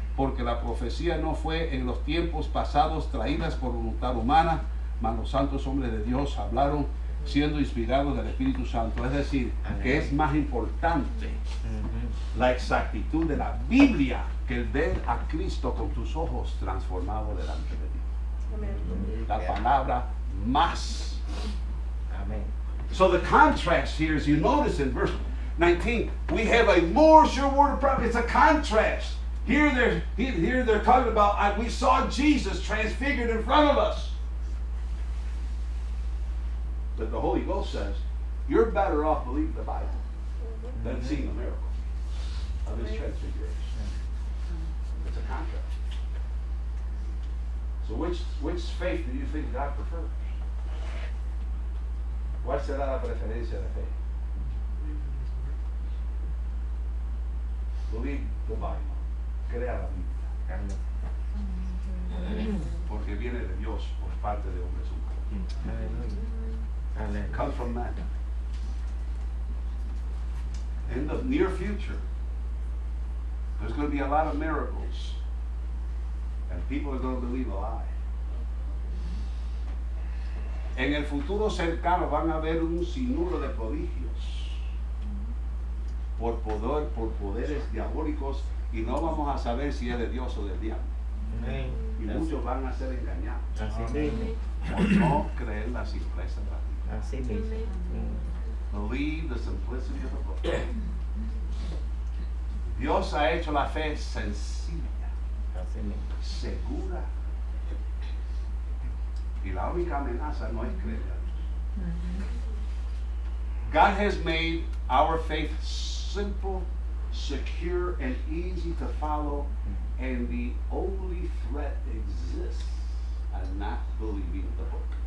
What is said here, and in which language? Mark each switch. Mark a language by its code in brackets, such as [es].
[es] Porque la profecía no fue en los tiempos pasados traídas por voluntad humana, mas los santos hombres de Dios hablaron siendo inspirados del Espíritu Santo. Es decir, que es más importante la exactitud de la Biblia que el ver a Cristo con tus ojos transformado delante de ti. La palabra más. Amén. [en] So the contrast here is, you notice in verse 19, we have a more sure word of prophecy. It's a contrast. Here they're talking about, we saw Jesus transfigured in front of us. But the Holy Ghost says, you're better off believing the Bible than seeing a miracle of his transfiguration. It's a contrast. So which faith do you think God prefers? [es] ¿Cuál será la preferencia de fe? [en] Believe the Bible. [es] Crea la Biblia. Porque viene de Dios por parte de hombres humanos. [en] Come from man. In the near future, there's going to be a lot of miracles, and people are going to believe a lie. [es] En el futuro cercano van a haber un sinnúmero de prodigios por poderes diabólicos, y no vamos a saber si es de Dios o del diablo. Y muchos van a ser engañados por no creer la simpleza de la Biblia. [en] Believe the simplicity of the book. [es] Dios ha hecho la fe sencilla, segura, y la única amenaza no es creer. [en] God has made our faith simple, secure, and easy to follow, and the only threat exists at not believing the book.